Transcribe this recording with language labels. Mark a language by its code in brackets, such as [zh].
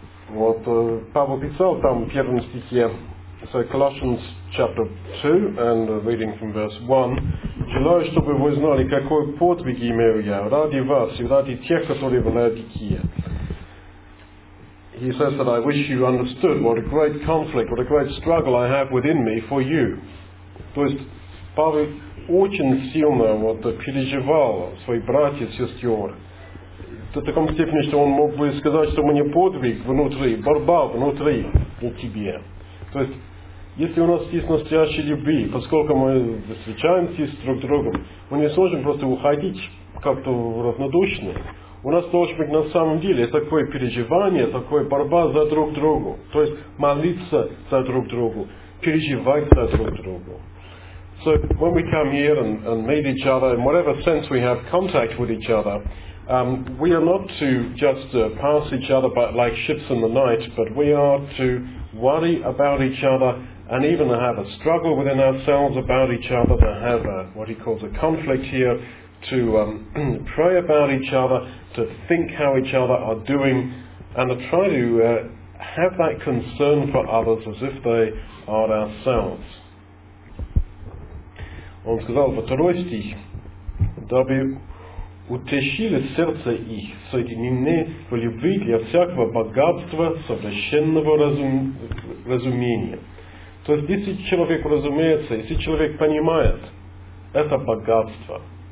[ru] Вот Павел писал там в первом стихе. [en] So Colossians chapter 2 and reading from verse 1. [ru] Желаю, чтобы вы знали, какой подвиг имею я ради вас и ради тех, которые в Лаодикии. [en] He says that I wish you understood what a great conflict, what a great struggle I have within me for you. [ru] То есть Павел очень сильно вот переживал своих братьев, сестер. До таком степени, что он мог бы сказать, что у меня подвиг внутри, борьба внутри для тебя. То есть, если у нас есть настоящая любви, поскольку мы встречаемся друг с другом, мы не сможем просто уходить как-то равнодушно. У нас должно быть на самом деле такое переживание, такое борьба за друг друга. То есть молиться за друг друга, переживать за друг друга. [en] So when we come here and meet each other, in whatever sense we have contact with each other, we are not to just pass each other by, like ships in the night, but we are to worry about each other and even to have a struggle within ourselves about each other, to have what he calls a conflict here, to pray about each other, to think how each other are doing, and to try to have that concern for others as if they are ourselves. [ru] Он сказал во второй стих, дабы утешили сердце их, соединены в любви для всякого богатства совершенного разумения. То есть, если человек разумеется, если человек понимает, это богатство.